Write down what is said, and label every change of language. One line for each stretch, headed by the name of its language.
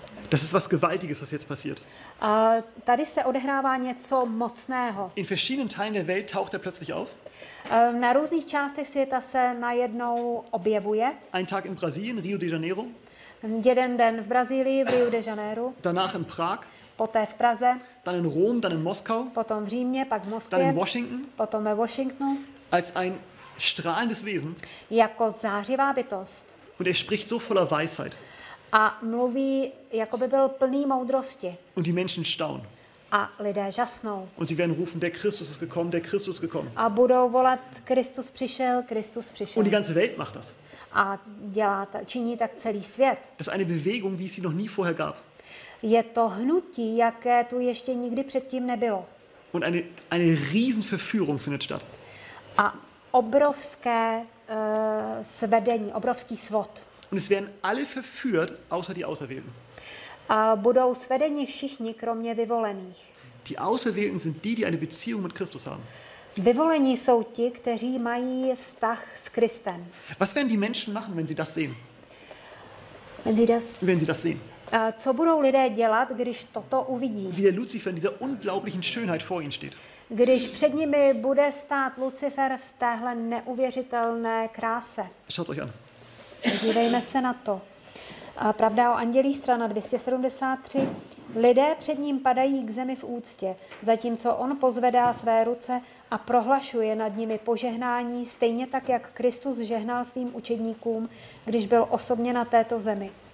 German: Das ist was Gewaltiges, was jetzt passiert.
Czech: Tady se odehrává něco mocného.
German: In verschiedenen Teilen der Welt taucht er plötzlich auf.
Czech: Na různých částech světa se najednou objevuje.
German: Ein Tag in Brasilien, Rio de Janeiro.
Czech: Jeden den v Brazílii, v Rio de Janeiro.
German: Danach in Prag.
Czech: Poté v Praze.
German: Dann in Rom, dann in Moskau.
Czech: Potom v Římě, pak v Moskvě.
German: Dann in Washington.
Czech: Potom ve Washingtonu.
German: Als ein strahlendes Wesen.
Czech: Jako zářivá bytost.
German: Und er spricht so voller Weisheit.
Czech: A mluví, jako by byl plný moudrosti.
German: Und die Menschen staunen.
Czech: A lidé žasnou.
German: Und sie werden rufen, der Christus ist gekommen, der Christus gekommen.
Czech: A budou volat, Kristus přišel, Kristus přišel.
German: Und die ganze Welt macht das.
Czech: A činí tak celý svět.
German: Das ist eine Bewegung, wie es sie noch nie vorher gab.
Czech: Je to hnutí, jaké tu ještě nikdy předtím nebylo.
German: Und eine Riesenverführung findet statt.
Czech: A obrovské svedení, obrovský svod.
German: Und es werden alle verführt, außer die Auserwählten.
Czech: A budou svedeni všichni, kromě vyvolených.
German: Die Auserwählten sind die, die eine Beziehung mit Christus haben.
Czech: Vyvolení jsou ti, kteří mají vztah s Kristem.
German: Was werden die Menschen machen, wenn sie das sehen? Wenn sie das sehen.
Czech: Co budou lidé dělat, když toto uvidí?
German: Wie der Lucifer in dieser unglaublichen Schönheit vor ihnen steht.
Czech: Když před nimi bude stát Lucifer v téhle neuvěřitelné kráse.
German: Schaut's euch an.
Czech: Dívejme se na to. Pravda o andělích, strana 273. Lidé před ním padají k zemi v úctě, zatímco on pozvedá své ruce a prohlašuje nad nimi požehnání, stejně tak, jak Kristus žehnal svým učedníkům, když byl osobně na této zemi.